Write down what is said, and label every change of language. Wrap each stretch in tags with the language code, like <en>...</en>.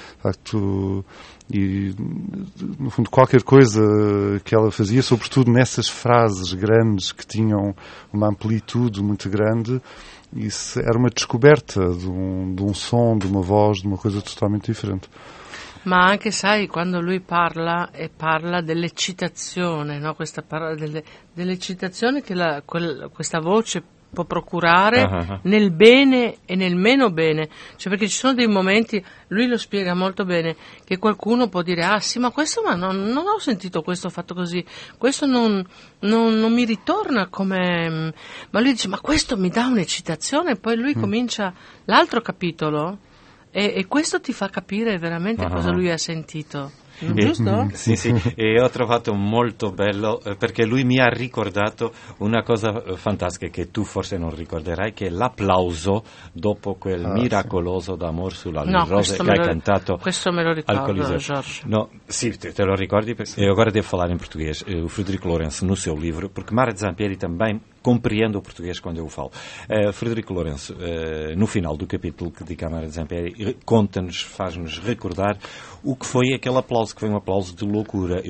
<pt>facto, e, no fundo, qualquer coisa que ela fazia, sobretudo nessas frases grandes que tinham uma amplitude muito grande... Isso era uma descoberta de um som, de uma voz, de uma coisa totalmente diferente.</pt> <it>Ma anche, sai, quando lui parla e parla dell'eccitazione, no? Questa parola dell'eccitazione che questa voce può procurare nel bene e nel meno bene. Cioè, perché ci sono dei momenti, lui lo spiega molto bene, che qualcuno può dire: ah sì, ma questo, ma non ho sentito questo fatto così, questo non mi ritorna come... Ma lui dice: ma questo mi dà un'eccitazione. Poi lui comincia l'altro capitolo e questo ti fa capire veramente cosa lui ha sentito. Sì, sì, e ho trovato molto bello perché lui mi ha ricordato una cosa fantastica che tu forse non ricorderai, che è l'applauso dopo quel miracoloso d'amor sulla rosa che hai cantato. Questo me lo ricordo, Jorge. No, sì, te lo ricordi?</it> <pt>E agora</pt> <it>devo falare in</it> <pt>português. O Frederico Lourenço, no seu livro, perché Mara de Zampieri também compreendo o português quando eu o falo. Frederico Lourenço, no final do capítulo que dedica a Mara de Zampieri, conta-nos, faz-nos recordar o que foi aquele aplauso, que foi um aplauso de loucura.</pt>